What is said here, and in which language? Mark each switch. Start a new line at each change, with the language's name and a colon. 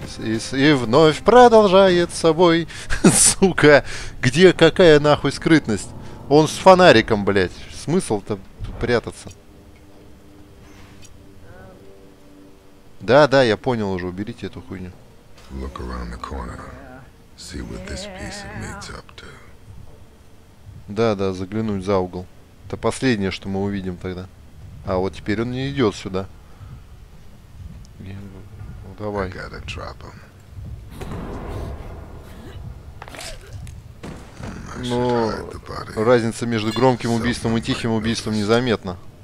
Russian: И вновь продолжает собой. Сука. Где какая нахуй скрытность? Он с фонариком, блять. Смысл-то прятаться. Да, да, я понял уже, уберите эту хуйню.
English: Look around the corner. See what this piece of meat's up to.
Russian: Да, да, заглянуть за угол. Это последнее, что мы увидим тогда. А вот теперь он не идет сюда. Ну, давай.
English: I gotta drop him.
Russian: Но разница между громким убийством и тихим убийством незаметна.